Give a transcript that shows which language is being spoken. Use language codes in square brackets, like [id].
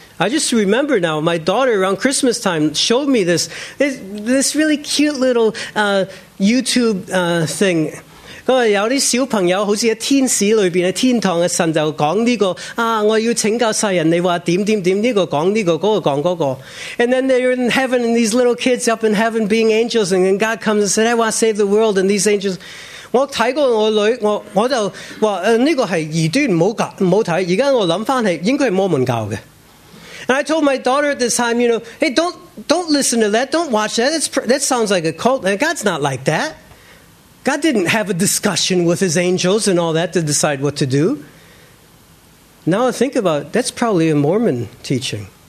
[en] I just remember now my daughter around Christmas time showed me this really cute little YouTube thing [zh] 有些小朋友好像在天使裏面,天堂的神就說這個,我要請教世人,你說怎樣,這個說這個,那個說那個 [en] And then they're in heaven and these little kids up in heaven being angels And then God comes and said, I want to save the world and these angels [zh] 我看過我女兒,我就說這個是異端,不要看,現在我想起,應該是摩門教的 [en] And I told my daughter at this time, you know, hey, don't listen to that, don't watch that, that sounds like a cult, God's not like that God didn't have a discussion with his angels and all that to decide what to do. Now I think about it, that's probably a Mormon teaching.